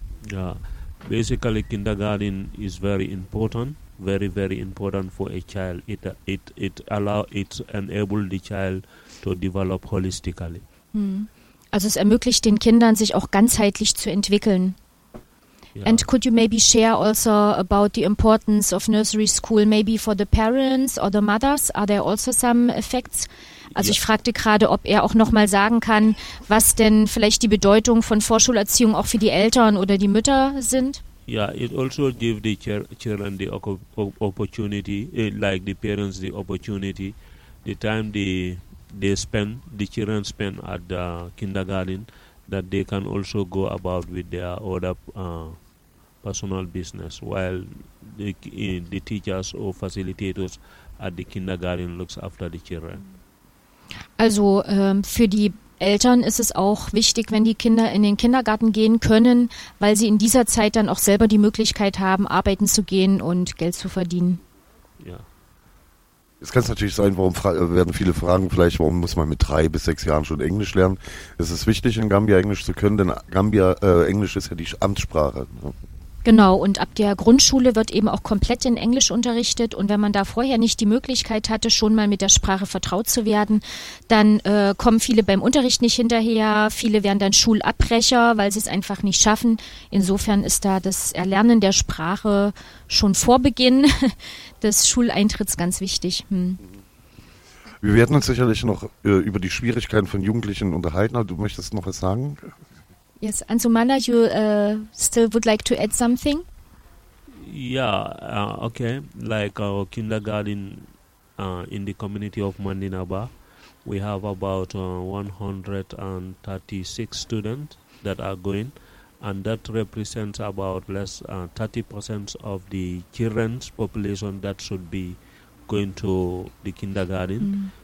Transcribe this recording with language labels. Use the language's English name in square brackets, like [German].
[English] Ja, basically kindergarten is very important, very very important for a child. It enables the child to develop holistically. [German] Also es ermöglicht den Kindern, sich auch ganzheitlich zu entwickeln. [English] Yeah. And could you maybe share also about the importance of nursery school, maybe for the parents or the mothers? Are there also some effects? [German] Also yeah. Ich fragte gerade, ob er auch nochmal sagen kann, was denn vielleicht die Bedeutung von Vorschulerziehung auch für die Eltern oder die Mütter sind. [English] Yeah, it also gives the children the opportunity, like the parents the opportunity, the time they spend, the children spend at the kindergarten, that they can also go about with their other personal business, while the teachers or facilitators at the kindergarten looks after the children. [German] Also für die Eltern ist es auch wichtig, wenn die Kinder in den Kindergarten gehen können, weil sie in dieser Zeit dann auch selber die Möglichkeit haben, arbeiten zu gehen und Geld zu verdienen. Ja. Es kann natürlich sein, werden viele Fragen vielleicht, warum muss man mit 3 bis 6 Jahren schon Englisch lernen? Es ist wichtig, in Gambia Englisch zu können, denn Gambia Englisch ist ja die Amtssprache. Ne? Genau, und ab der Grundschule wird eben auch komplett in Englisch unterrichtet und wenn man da vorher nicht die Möglichkeit hatte, schon mal mit der Sprache vertraut zu werden, dann kommen viele beim Unterricht nicht hinterher, viele werden dann Schulabbrecher, weil sie es einfach nicht schaffen. Insofern ist da das Erlernen der Sprache schon vor Beginn des Schuleintritts ganz wichtig. Wir werden uns sicherlich noch über die Schwierigkeiten von Jugendlichen unterhalten, aber du möchtest noch was sagen? [English] Yes, Anzumana, you still would like to add something? Yeah, okay. Like our kindergarten in the community of Mandinaba, we have about 136 students that are going, and that represents about less 30% of the children's population that should be going to the kindergarten. Mm.